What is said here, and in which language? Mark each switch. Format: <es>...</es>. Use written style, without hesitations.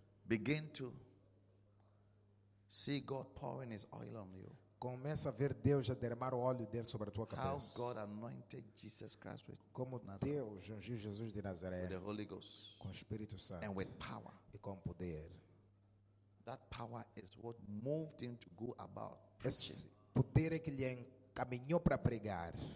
<en>Begin to see God pouring His oil on you.</en> <pt>Começa a ver Deus a derramar o óleo dele sobre a tua cabeça.</pt> <en>How God anointed Jesus Christ with</en> <pt>como Deus ungiu Jesus de Nazaré.</pt> <en>With the Holy Ghost.</en> <pt>Com o Espírito Santo.</pt> <en>And with power.</en> <pt>E com poder.</pt> <en>That power is what moved him to go about preaching.</en> <pt>Esse poder é que lhe encaminhou para pregar.</pt>